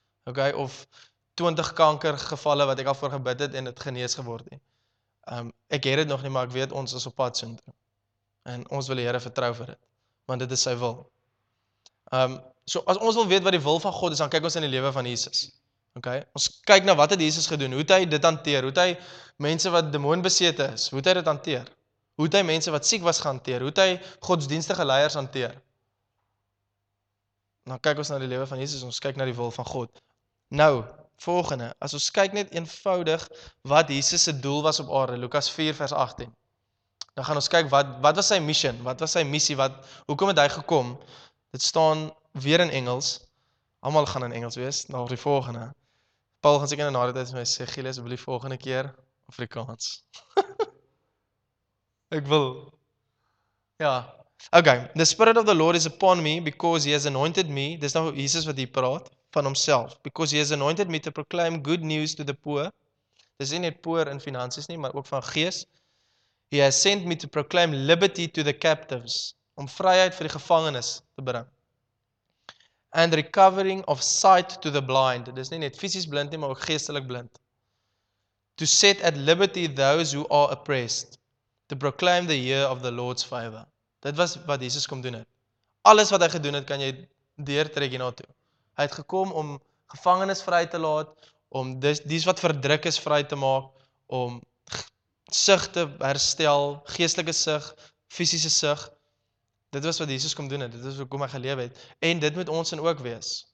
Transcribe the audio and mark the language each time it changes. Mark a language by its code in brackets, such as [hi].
[af] Okay, of 20 kankergevalle wat ek al voor gebid het en dit genees geword het. Ek het dit nog nie, maar ek weet ons is op pad soontoe. En ons wil die Here vertrou vir dit, want dit is sy wil. So as ons wil weet wat die wil van God is, dan kyk ons in die lewe van Jesus. Okay? Ons kyk na wat het Jesus gedoen, hoe het hy dit hanteer, hoe het hy mense wat demoonbesete is, hoe het hy dit hanteer? Hoe het hy mense wat siek was hanteer? Hoe het hy godsdienstige leiers hanteer? Dan kyk ons na die lewe van Jesus, ons kyk na die wil van God. Nou, volgende, as ons kyk net eenvoudig wat Jesus se doel was op aarde, Lukas 4 vers 18. Dan gaan ons kyk wat was sy mission, wat was sy missie, wat hoekom het hy gekom? Dit staan weer in Engels. Almal gaan in Engels wees. Na die volgende. Paul gaan seker in 'n nader tyd vir my sê, "Giel, asseblief volgende keer Afrikaans." Ek wil. Ja. [en] Okay, the spirit of the Lord is upon me because he has anointed me. [af] Dis nou Jesus wat hier praat van homself. [en] Because he has anointed me to proclaim good news to the poor. [af] Dis nie net poor in finansies nie, maar ook van gees. [en] He has sent me to proclaim liberty to the captives, [af] om vryheid vir die gevangenes te bring. [en] And recovering of sight to the blind. [af] Dis nie net fisies blind nie, maar ook geestelik blind. [en] To set at liberty those who are oppressed, to proclaim the year of the Lord's favor. [af] Dit was wat Jesus kom doen het. Alles wat hy gedoen het, kan jy deurtrek hierna toe. Hy het gekom om gevangenes vry te laat, om dis wat verdruk is vry te maak, om sig te herstel, geestelike sig, fisiese sig. Dit was wat Jesus kom doen het. Dit is hoekom hy geleef het. En dit moet ons in ook wees.